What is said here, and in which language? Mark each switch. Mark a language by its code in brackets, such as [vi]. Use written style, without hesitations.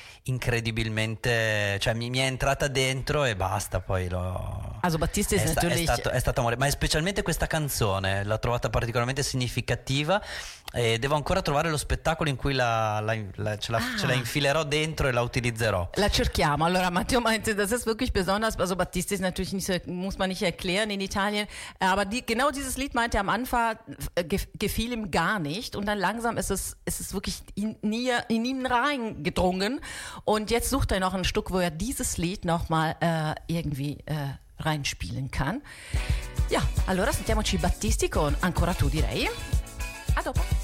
[it] incredibilmente, cioè mi è entrata dentro e basta, poi lo... [de] Also Battisti [it] è stato amore, ma specialmente questa canzone l'ho trovata particolarmente significativa e devo ancora trovare lo spettacolo in cui ce la infilerò dentro e la utilizzerò. La cerchiamo. [de] Allora Matteo meinte, das ist wirklich besonders, also Battisti ist natürlich nicht so, muss man nicht erklären in Italien, aber genau dieses Lied meinte am Anfang gefiel ihm gar nicht und dann langsam ist es wirklich in ihn reingedrungen. Und jetzt sucht er noch ein Stück, wo er dieses Lied nochmal irgendwie reinspielen kann. [it] Ja, allora sentiamoci Battisti con Ancora tu, direi. A dopo.